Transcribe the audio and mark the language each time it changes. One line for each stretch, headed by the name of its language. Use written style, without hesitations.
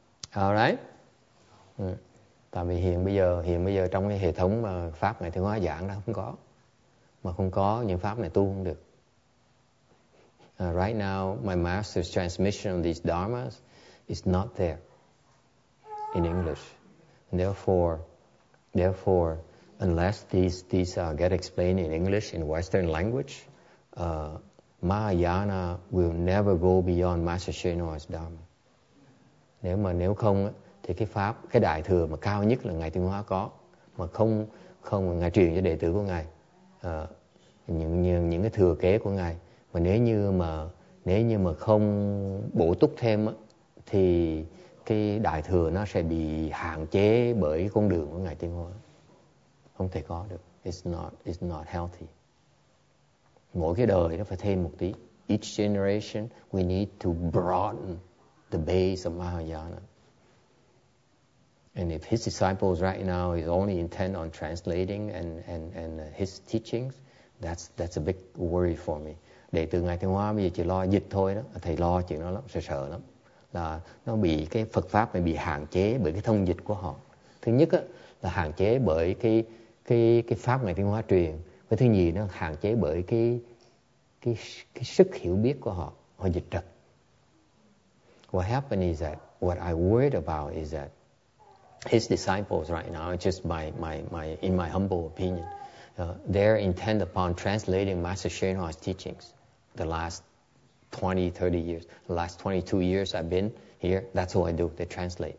English: All right.
Vietnamese: Tại vì hiện bây giờ trong cái hệ thống mà pháp này thì hóa giảng đó không có, mà không có những pháp này tu không được.
English: Right now, my master's transmission of these dharmas. It's not there in English. And therefore, unless these get explained in English, in Western language, Mahayana will never go beyond Master Shen Hoa's Dharma.
Vietnamese: Nếu không, thì cái pháp, cái đại thừa mà cao nhất là Ngài Tuyên Hóa có, mà không Ngài truyền cho đệ tử của Ngài, những cái thừa kế của Ngài. Mà nếu như mà không bổ túc thêm, thì cái đại thừa nó sẽ bị hạn chế bởi con đường của ngài Tiên Hóa. Không thể có được.
English: It's not healthy.
Vietnamese: Mỗi cái đời nó phải thêm một tí.
English: Each generation we need to broaden the base of Mahayana. And if his disciples right now is only intent on translating and his teachings, that's a big worry for me.
Vietnamese: Để từ ngày Tiên Hóa bây giờ chỉ lo dịch thôi đó, thầy lo chuyện đó lắm, sợ lắm. Là nó bị cái Phật pháp này bị hạn chế bởi cái thông dịch của họ. Thứ nhất á là hạn chế bởi cái pháp ngày Tiên Hóa truyền. Cái thứ nhì nó hạn chế bởi cái sức hiểu biết của họ, họ dịch trật.
English: What happened is that what I worried about is that his disciples right now, just my in my humble opinion, they're intent upon translating Master Shenhua's teachings. The last 20-30 years, the last 22 years I've been here, that's what I do. They translate.